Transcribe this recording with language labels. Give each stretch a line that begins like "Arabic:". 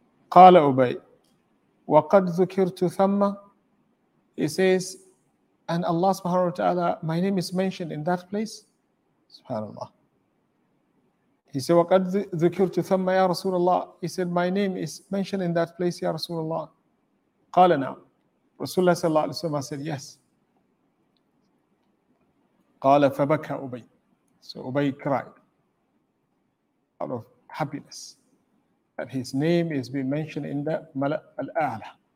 Arabic: قال أبي وقد ذكرت ثم.
English: He says, and Allah subhanahu wa ta'ala, my name is mentioned in that place.
Arabic: Subhanallah.
English: He said,
Arabic: وقد ذكرت ثم يا رسول الله.
English: He said, my name is mentioned in that place,
Arabic: يا رسول الله. قال نعم. رسول الله صلى الله عليه وسلم
English: said, yes.
Arabic: قال فبكى أبي.
English: So Ubay cried out of happiness that his name is being mentioned in the Mala' al-A'la.